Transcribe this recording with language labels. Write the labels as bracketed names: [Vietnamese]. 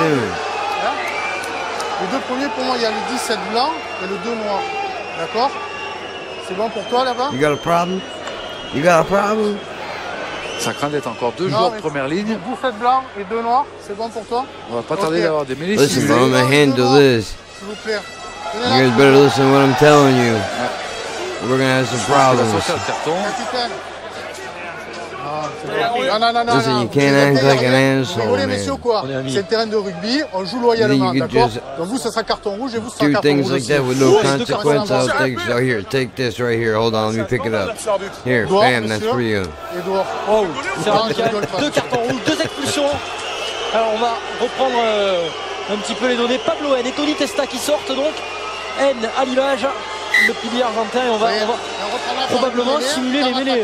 [French] Les deux premiers, pour moi, il y a le 17 blanc et le 2 noir. D'accord? C'est bon pour toi là-bas? [English] You got a problem? You got a problem? [French] Ça craint d'être encore deux joueurs de première ligne. Bouffette blanc et deux noirs, c'est bon pour toi? On va pas tarder d'avoir des mêlées. [English] Listen, I'm gonna handle this. [French] S'il vous plaît. [English] You guys better listen to what I'm telling you. Ouais. We're gonna have some problems. Listen, you can't act like an asshole, man. [French] C'est le terrain de rugby, on joue loyalement, d'accord? Donc vous, ça sera carton rouge et vous, ça sera carton rouge. [English] Things like that with no consequence, I'll take it. Oh, here, take this right here. Hold on, let me pick it up. Here, bam, that's for you. [French] Edouard. Oh, c'est un deux cartons rouges, deux expulsions. Alors, on va reprendre un petit peu les données. Pablo N et Tony Testa qui sortent, donc. N à l'image. Le pilier argentin, et on va probablement simuler les mêlées.